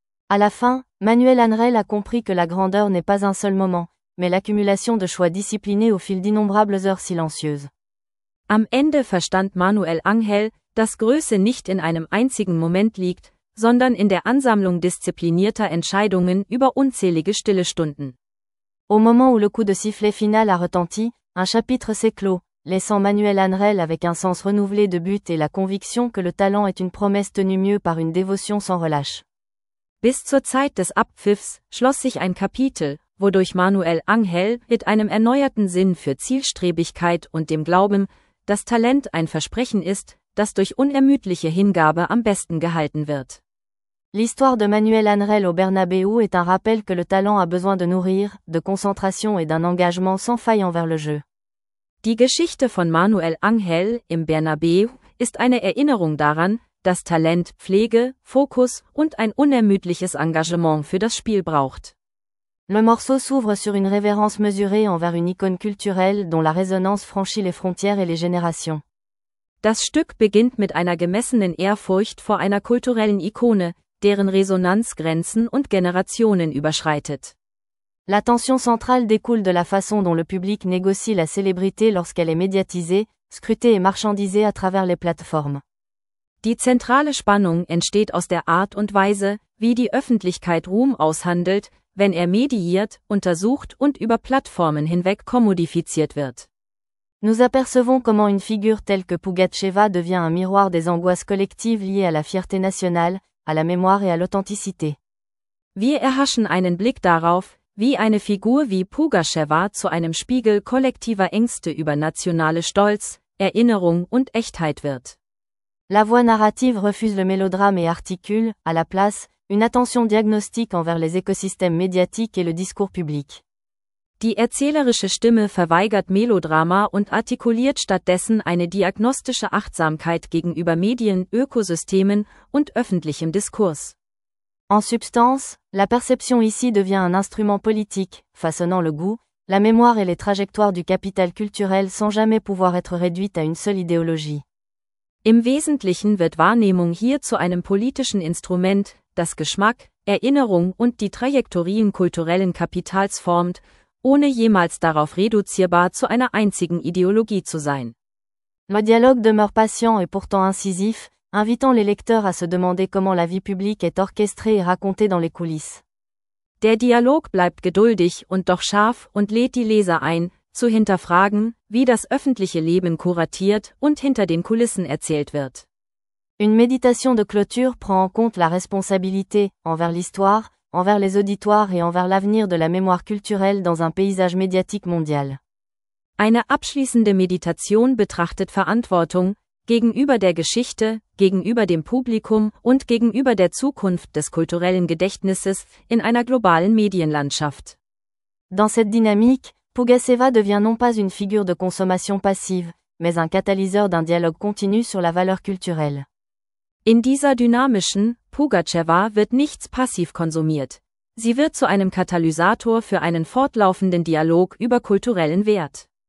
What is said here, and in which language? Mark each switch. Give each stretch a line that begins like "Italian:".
French: À la fin, Manuel Anrel a compris que la grandeur n'est pas un seul moment, mais l'accumulation de choix disciplinés au fil d'innombrables heures silencieuses.
German: Am Ende verstand Manuel Anrel, dass Größe nicht in einem einzigen Moment liegt, sondern in der Ansammlung disziplinierter Entscheidungen über unzählige stille Stunden.
French: Au moment où le coup de sifflet final a retenti, un chapitre s'est clos, laissant Manuel Anrel avec un sens renouvelé de but et la conviction que le talent est une promesse tenue mieux par une dévotion sans relâche.
German: Bis zur Zeit des Abpfiffs schloss sich ein Kapitel, wodurch Manuel Anrel mit einem erneuerten Sinn für Zielstrebigkeit und dem Glauben, dass Talent ein Versprechen ist, das durch unermüdliche Hingabe am besten gehalten wird.
French: L'histoire de Manuel Anrel au Bernabeu est un rappel que le talent a besoin de nourrir, de concentration et d'un engagement sans faille envers le jeu.
German: Die Geschichte von Manuel Anrel im Bernabeu ist eine Erinnerung daran, dass Talent Pflege, Fokus und ein unermüdliches Engagement für das Spiel braucht.
French: Le morceau s'ouvre sur une révérence mesurée envers une icône culturelle dont la résonance franchit les frontières et les générations.
German: Das Stück beginnt mit einer gemessenen Ehrfurcht vor einer kulturellen Ikone, deren Resonanz Grenzen und Generationen überschreitet.
French: La tension centrale découle de la façon dont le public négocie la célébrité lorsqu'elle est médiatisée, scrutée et marchandisée à travers les plateformes.
German: Die zentrale Spannung entsteht aus der Art und Weise, wie die Öffentlichkeit Ruhm aushandelt, wenn er mediiert, untersucht und über Plattformen hinweg kommodifiziert wird.
French: Nous apercevons comment une figure telle que Pougatcheva devient un miroir des angoisses collectives liées à la fierté nationale, à la mémoire et à l'authenticité.
German: Wir erhaschen einen Blick darauf, wie eine Figur wie Pougatcheva zu einem Spiegel kollektiver Ängste über nationale Stolz, Erinnerung und Echtheit wird.
French: La voix narrative refuse le mélodrame et articule, à la place, une attention diagnostique envers les écosystèmes médiatiques et le discours public.
German: Die erzählerische Stimme verweigert Melodrama und artikuliert stattdessen eine diagnostische Achtsamkeit gegenüber Medien, Ökosystemen und öffentlichem Diskurs.
French: En substance, la perception ici devient un instrument politique, façonnant le goût, la mémoire et les trajectoires du capital culturel sans jamais pouvoir être réduite à une seule idéologie.
German: Im Wesentlichen wird Wahrnehmung hier zu einem politischen Instrument, das Geschmack, Erinnerung und die Trajektorien kulturellen Kapitals formt, ohne jemals darauf reduzierbar zu einer einzigen Ideologie zu sein.
French: Le dialogue demeure patient et pourtant incisif, invitant les lecteurs à se demander comment la vie publique est orchestrée et racontée dans les coulisses.
German: Der Dialog bleibt geduldig und doch scharf und lädt die Leser ein, zu hinterfragen, wie das öffentliche Leben kuratiert und hinter den Kulissen erzählt wird.
French: Une méditation de clôture prend en compte la responsabilité envers l'histoire, envers les auditoires et envers l'avenir de la mémoire culturelle dans un paysage médiatique mondial.
German: Eine abschließende Meditation betrachtet Verantwortung gegenüber der Geschichte, gegenüber dem Publikum und gegenüber der Zukunft des kulturellen Gedächtnisses in einer globalen Medienlandschaft.
French: Dans cette dynamique, Pougatcheva devient non pas une figure de consommation passive, mais un catalyseur d'un dialogue continu sur la valeur culturelle.
German: In dieser dynamischen Pougatcheva wird nichts passiv konsumiert. Sie wird zu einem Katalysator für einen fortlaufenden Dialog über kulturellen Wert.